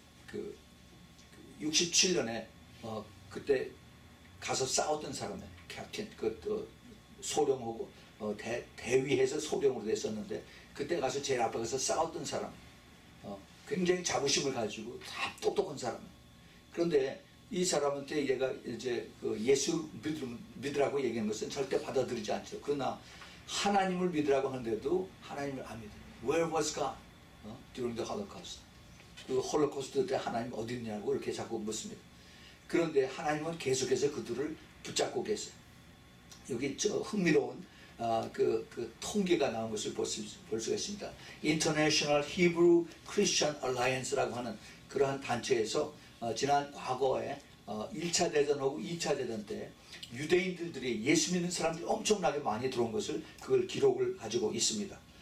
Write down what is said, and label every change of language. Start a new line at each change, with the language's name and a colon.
Korean: 그 67년에 그때 가서 싸웠던 사람에 캡틴 그 소령하고 대위해서 소령으로 됐었는데 그때 가서 제일 앞에 가서 싸웠던 사람 굉장히 자부심을 가지고 다 똑똑한 사람 그런데 이 사람한테 얘가 이제 그 예수 믿으라고 얘기하는 것은 절대 받아들이지 않죠. 그러나 하나님을 믿으라고 하는데도 하나님을 안 믿어요.
English: Where was God during the Holocaust?
Korean: 그 홀로코스트 때 하나님 어디 있냐고 이렇게 자꾸 묻습니다. 그런데 하나님은 계속해서 그들을 붙잡고 계세요. 여기 저 흥미로운 그 통계가 나온 것을 볼 수가 있습니다. International Hebrew Christian Alliance라고 하는 그러한 단체에서 지난 과거에 1차 대전하고 2차 대전 때 유대인들이 예수 믿는 사람들이 엄청나게 많이 들어온 것을 그걸 기록을 가지고 있습니다.